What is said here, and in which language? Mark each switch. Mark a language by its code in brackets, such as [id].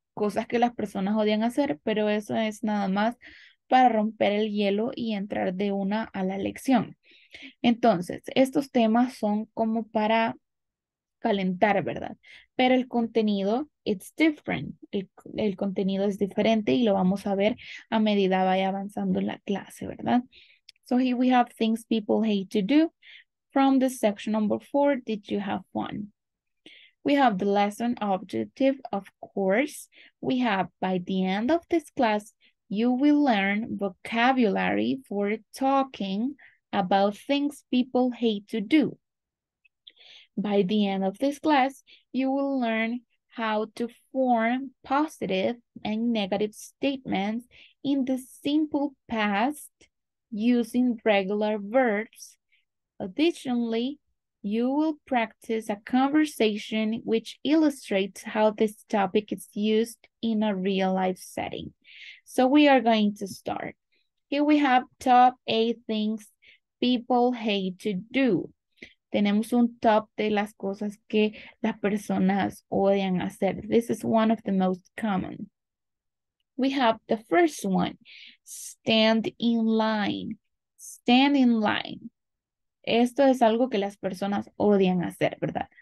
[es] Cosas que las personas odian hacer, pero eso es nada más para romper el hielo y entrar de una a la lección. Entonces, estos temas son como para calentar, ¿verdad? Pero el contenido, [en] it's different. [es] El contenido es diferente y lo vamos a ver a medida vaya avanzando en la clase, ¿verdad? [en] So here we have things people hate to do. From the section number 4, did you have fun? We have the lesson objective, of course. We have, by the end of this class, you will learn vocabulary for talking about things people hate to do. By the end of this class, you will learn how to form positive and negative statements in the simple past using regular verbs. Additionally, you will practice a conversation which illustrates how this topic is used in a real life setting. So we are going to start. Here we have top 8 things people hate to do. [es] Tenemos un top de las cosas que las personas odian hacer. [en] This is one of the most common. We have the first one, stand in line. Stand in line. [es] Esto es algo que las personas odian hacer, ¿verdad?